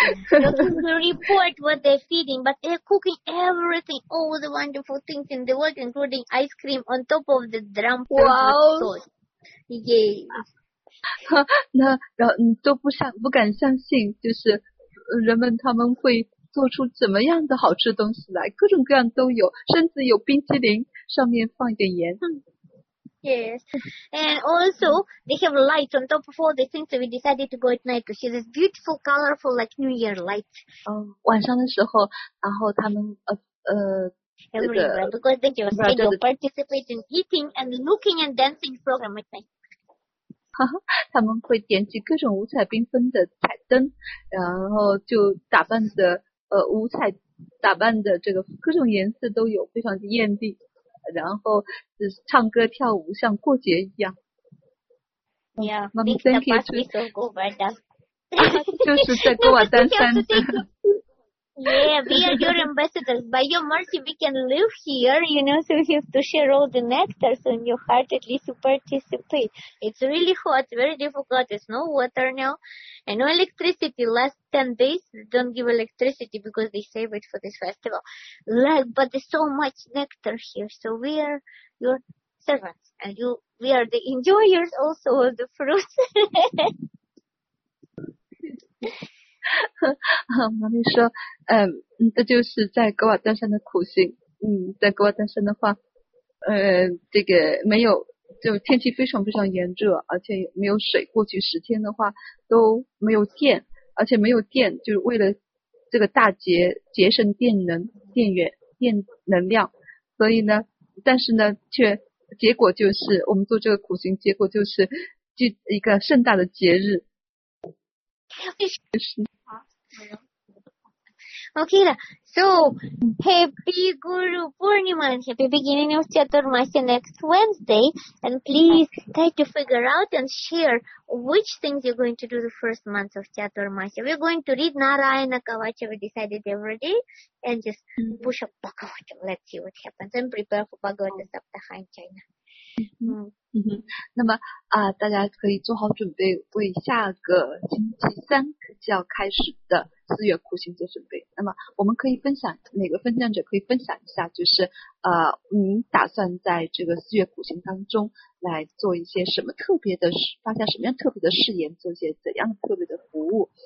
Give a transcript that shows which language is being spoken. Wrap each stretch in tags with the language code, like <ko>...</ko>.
<en>They report what they're feeding, but they're cooking everything, all the wonderful things in the world, including ice cream on top of the drum. Wow! Yay!</en> <zh>那然后都不敢相信，就是人们他们会做出怎么样的好吃的东西来，各种各样都有，甚至有冰淇淋上面放一点盐。</zh> <en>Yes, and also they have lights on top of all the things, so we decided to go at night to see this beautiful, colorful, like New Year lights.</en> <zh>晚上的时候，然后他们</zh> <en>because they were scheduled to participate in eating and looking and dancing program at night.</en> <zh>他们会点起各种五彩缤纷的彩灯，然后就打扮的五彩打扮的这个各种颜色都有，非常的艳丽，然后就是唱歌跳舞像过节一样。</zh> <en>Yeah, Mommy, thank you.</en> <zh>就是在哥瓦丹山的。</zh> <en>Yeah, we are your ambassadors. By your mercy, we can live here, you know, so you have to share all the nectars in your heart at least to participate. It's really hot, very difficult. There's no water now and no electricity. Last 10 days, don't give electricity because they save it for this festival. But there's so much nectar here. So we are your servants and we are the enjoyers also of the fruits.</en> <zh>妈咪说，这就是在格瓦丹山的苦行。在格瓦丹山的话，这个没有，就天气非常非常炎热，而且没有水。过去10天的话都没有电，而且没有电，就是为了这个大节节省电能量。所以呢，但是呢，却结果就是我们做这个苦行，结果就是一个盛大的节日。</zh> <en>Okay, so happy Guru Purnima, happy beginning of Chaturmasya next Wednesday, and please try to figure out and share which things you're going to do the first month of Chaturmasya. We're going to read Narayana Kavacha, we decided every day, and just push up Bhagavata. Let's see what happens and prepare for Bhagavata Saptaha in China.</en> <zh>那么大家可以做好准备，为下个星期三就要开始的四月苦行做准备。那么我们可以分享，每个分享者可以分享一下，就是您打算在这个四月苦行当中来做一些什么特别的事，发现什么样特别的誓言，做一些怎样特别的服务。</zh>